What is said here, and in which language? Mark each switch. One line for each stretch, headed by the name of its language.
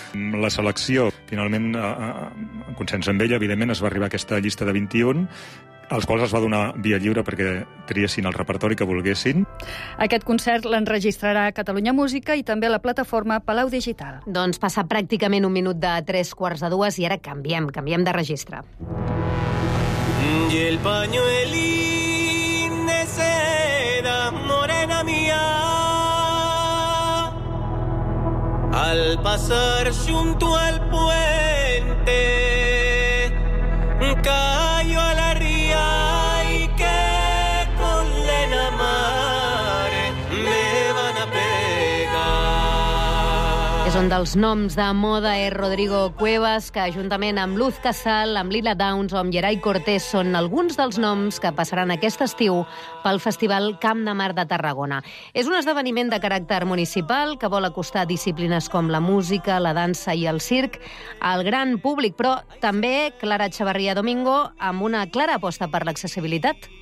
Catalan: La selecció, finalment, en consens amb ella, evidentment, es va arribar a aquesta llista de 21, als quals es va donar via lliure perquè triessin el repertori que volguessin. Aquest concert l'enregistrarà Catalunya Música i també la plataforma Palau Digital. Doncs passa pràcticament un minut de 3:15 i ara canviem de registre.
Spanish: I el pañuelín de seda, morena mía, al pasar junto al puente, cayó a la ría, y que con lena mare me van a pegar.
Catalan: És un dels noms de moda, és Rodrigo Cuevas, que juntament amb Luz Casal, amb Lila Downs o amb Gerai Cortés són alguns dels noms que passaran aquest estiu pel Festival Camp de Mar de Tarragona. És un esdeveniment de caràcter municipal que vol acostar disciplines com la música, la dansa i el circ al gran públic, però també Clara Echevarría Domingo amb una clara aposta per l'accessibilitat.